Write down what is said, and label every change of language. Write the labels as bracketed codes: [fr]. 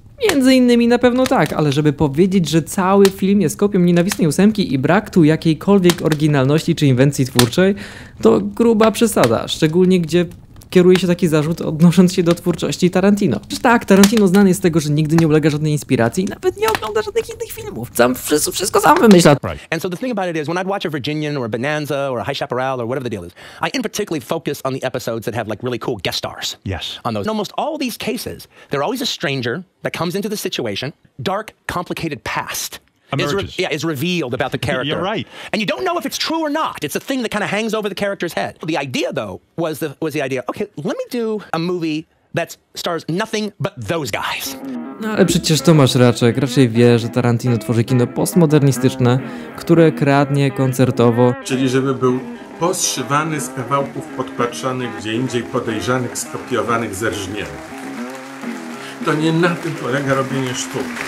[pl] Między innymi na pewno tak, ale żeby powiedzieć, że cały film jest kopią Nienawistnej Ósemki i brak tu jakiejkolwiek oryginalności czy inwencji twórczej, to gruba przesada, szczególnie gdzie kieruje się taki zarzut odnosząc się do twórczości Tarantino. Przecież tak, Tarantino znany jest z tego, że nigdy nie ulega żadnej inspiracji i nawet nie ogląda żadnych innych filmów. Sam wszystko sam wymyśla. [en] And so the thing about it is, when I'd watch a Virginian or a Bonanza or a High Chaparral or whatever the deal is, I in particularly focus on the episodes that have like really cool guest stars. Yes. On those. In almost all these cases, there's always a stranger that comes into the situation, dark, complicated past. Is revealed about the character. You're right. And you don't know if it's true or not. It's a thing that kind of hangs over the character's head. The idea, though, was the idea, okay, let me do a movie that stars nothing but those guys. [pl] No ale przecież Tomasz Raczek raczej wie, że Tarantino tworzy kino postmodernistyczne, które kradnie koncertowo. Czyli żeby był poszywany z kawałków podpatrzonych gdzie indziej, podejrzanych, skopiowanych, zerżniętych. To nie na tym polega robienie sztuki.